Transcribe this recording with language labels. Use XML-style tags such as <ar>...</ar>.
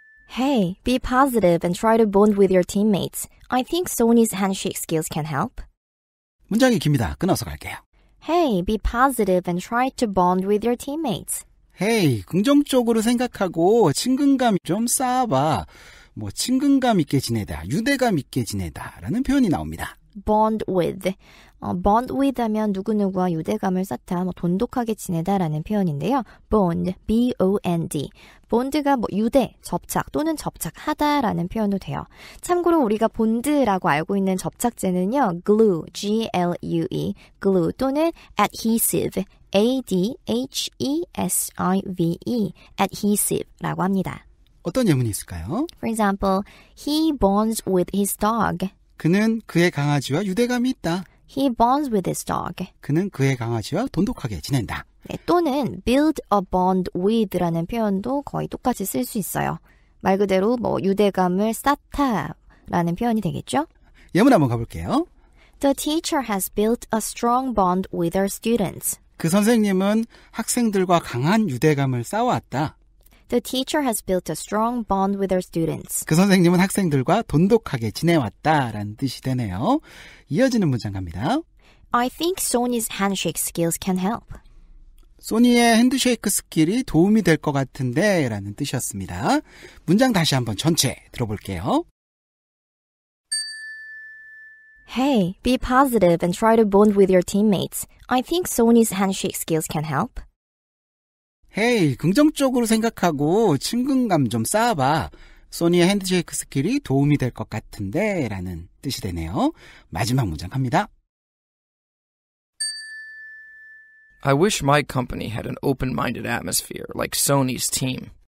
<en>Hey, be positive and try to bond with your teammates. I think Sony's handshake skills can help.</en> <ko>문장이 깁니다. 끊어서 갈게요.</ko> <en>Hey, be positive and try to bond with your teammates.</en> <ko>Hey, 긍정적으로 생각하고 친근감 좀 쌓아봐. 뭐 친근감 있게 지내다, 유대감 있게 지내다 라는 표현이 나옵니다. bond with. Bond with 하면 누구누구와 유대감을 쌓다, 뭐 돈독하게 지내다라는 표현인데요.</ko> <en>Bond, B-O-N-D.</en> <ko>Bond가 뭐 유대, 접착 또는 접착하다라는 표현도 돼요. 참고로 우리가 bond라고 알고 있는 접착제는요, glue, G-L-U-E, glue 또는 adhesive, A-D-H-E-S-I-V-E, adhesive라고 합니다. 어떤 예문이 있을까요?</ko> <en>For example, he bonds with his dog.</en> <ko>그는 그의 강아지와 유대감이 있다.</ko> <en>He bonds with his dog.</en> <ko>그는 그의 강아지와 돈독하게 지낸다. 네, 또는 build a bond with라는 표현도 거의 똑같이 쓸 수 있어요. 말 그대로 뭐 유대감을 쌓다라는 표현이 되겠죠? 예문 한번 가볼게요.</ko> <en>The teacher has built a strong bond with her students.</en> <ko>그 선생님은 학생들과 강한 유대감을 쌓아왔다.</ko> <en>The teacher has built a strong bond with her students.</en> <ko>그 선생님은 학생들과 돈독하게 지내왔다라는 뜻이 되네요. 이어지는 문장 갑니다.</ko> <en>I think Sonny's handshake skills can help.</en> <ko>소니의 핸드쉐이크 스킬이 도움이 될 것 같은데 라는 뜻이었습니다. 문장 다시 한번 전체 들어볼게요.</ko> <en>Hey, be positive and try to bond with your teammates. I think Sonny's handshake skills can help.</en> <ko>Hey, 긍정적으로 생각하고 친근감 좀 쌓아봐. 소니의 핸드쉐이크 스킬이 도움이 될 것 같은데 라는 뜻이 되네요. 마지막 문장 갑니다.</ko> <en>I wish my company had an open-minded atmosphere like Sony's team.</en>